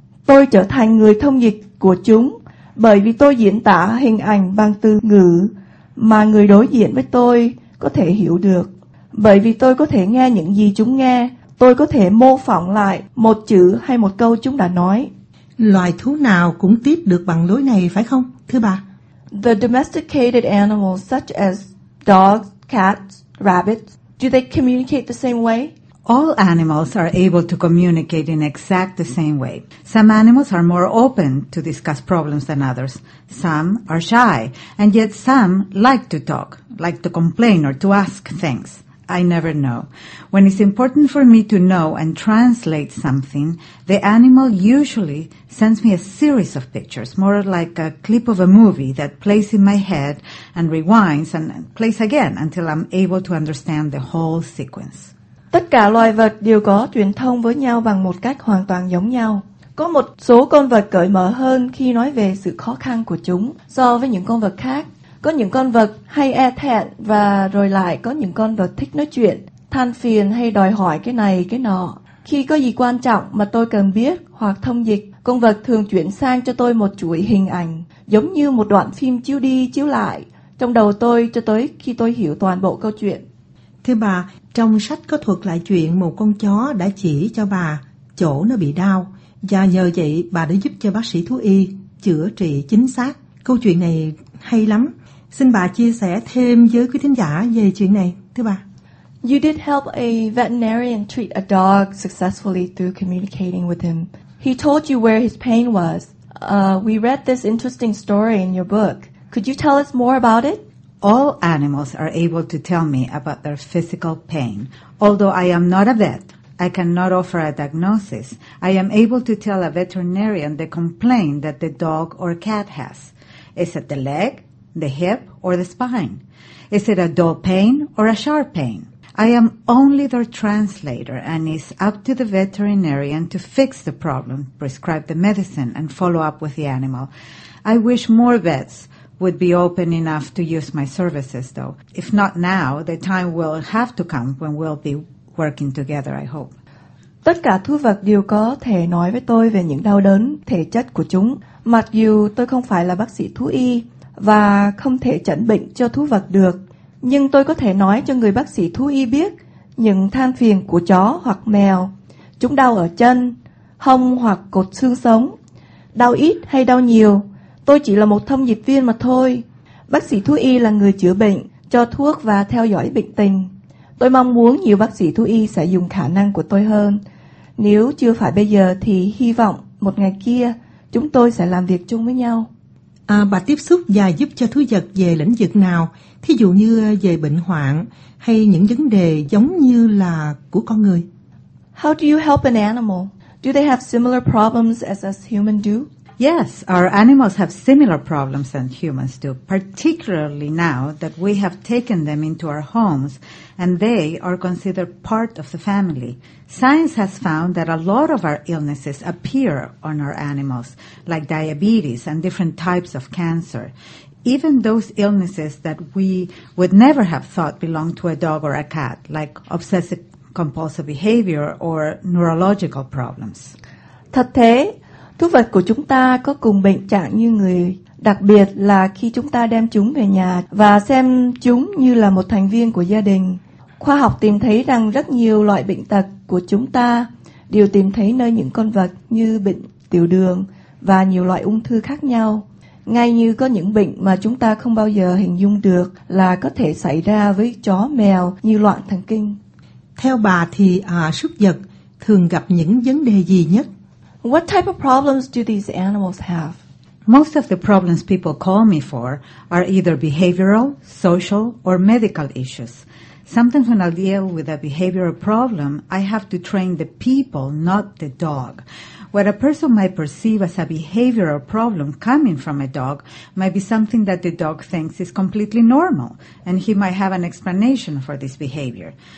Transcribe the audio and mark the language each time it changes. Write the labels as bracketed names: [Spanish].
[Vietnamese] Tôi trở thành người thông dịch của chúng bởi vì tôi diễn tả hình ảnh bằng từ ngữ mà người đối diện với tôi có thể hiểu được. Bởi vì tôi có thể nghe những gì chúng nghe, tôi có thể mô phỏng lại một chữ hay một câu chúng đã nói. Loài thú nào cũng tiếp được bằng lối này phải không, thưa bà? [English] The domesticated animals such as dogs, cats, rabbits, do they communicate the same way? All animals are able to communicate in exact the same way. Some animals are more open to discuss problems than others. Some are shy, and yet some like to talk, like to complain or to ask things. I never know. When it's important for me to know and translate something, the animal usually sends me a series of pictures, more like a clip of a movie that plays in my head and rewinds and plays again until I'm able to understand the whole sequence. [Vietnamese] Tất cả loài vật đều có truyền thông với nhau bằng một cách hoàn toàn giống nhau. Có một số con vật cởi mở hơn khi nói về sự khó khăn của chúng so với những con vật khác. Có những con vật hay e thẹn và rồi lại có những con vật thích nói chuyện, than phiền hay đòi hỏi cái này cái nọ. Khi có gì quan trọng mà tôi cần biết hoặc thông dịch, con vật thường chuyển sang cho tôi một chuỗi hình ảnh, giống như một đoạn phim chiếu đi chiếu lại trong đầu tôi cho tới khi tôi hiểu toàn bộ câu chuyện. Thưa bà, trong sách có thuật lại chuyện một con chó đã chỉ cho bà chỗ nó bị đau, và nhờ vậy bà đã giúp cho bác sĩ thú y chữa trị chính xác. Câu chuyện này hay lắm. Xin bà chia sẻ thêm với quý thính giả về chuyện này, thưa bà. [English] You did help a veterinarian treat a dog successfully through communicating with him. He told you where his pain was. We read this interesting story in your book. Could you tell us more about it? All animals are able to tell me about their physical pain. Although I am not a vet, I cannot offer a diagnosis. I am able to tell a veterinarian the complaint that the dog or cat has. Is it the leg, the hip, or the spine? Is it a dull pain or a sharp pain? I am only their translator, and it's up to the veterinarian to fix the problem, prescribe the medicine, and follow up with the animal. I wish more vets would be open enough to use my services, though. If not now, the time will have to come when we'll be working together, I hope. [Vietnamese] Tất cả thú vật đều có thể nói với tôi về những đau đớn thể chất của chúng, mặc dù tôi không phải là bác sĩ thú y và không thể chẩn bệnh cho thú vật được. Nhưng tôi có thể nói cho người bác sĩ thú y biết những than phiền của chó hoặc mèo. Chúng đau ở chân, hông hoặc cột xương sống. Đau ít hay đau nhiều, tôi chỉ là một thông dịch viên mà thôi. Bác sĩ thú y là người chữa bệnh, cho thuốc và theo dõi bệnh tình. Tôi mong muốn nhiều bác sĩ thú y sẽ dùng khả năng của tôi hơn. Nếu chưa phải bây giờ thì hy vọng một ngày kia chúng tôi sẽ làm việc chung với nhau. À, bà tiếp xúc và giúp cho thú vật về lĩnh vực nào, thí dụ như về bệnh hoạn hay những vấn đề giống như là của con người? [English] How do you help an animal? Do they have similar problems as us humans do? Yes, our animals have similar problems as humans do, particularly now that we have taken them into our homes and they are considered part of the family. Science has found that a lot of our illnesses appear on our animals, like diabetes and different types of cancer. Even those illnesses that we would never have thought belong to a dog or a cat, like obsessive compulsive behavior or neurological problems. [Vietnamese] Thật thế, thú vật của chúng ta có cùng bệnh trạng như người, đặc biệt là khi chúng ta đem chúng về nhà và xem chúng như là một thành viên của gia đình. Khoa học tìm thấy rằng rất nhiều loại bệnh tật của chúng ta đều tìm thấy nơi những con vật như bệnh tiểu đường và nhiều loại ung thư khác nhau. Ngay như có những bệnh mà chúng ta không bao giờ hình dung được là có thể xảy ra với chó, mèo như loạn thần kinh. Theo bà thì súc vật thường gặp những vấn đề gì nhất? [English] What type of problems do these animals have? Most of the problems people call me for are either behavioral, social, or medical issues. Sometimes when I deal with a behavioral problem, I have to train the people, not the dog. What a person might perceive as a behavioral problem coming from a dog might be something that the dog thinks is completely normal, and he might have an explanation for this behavior.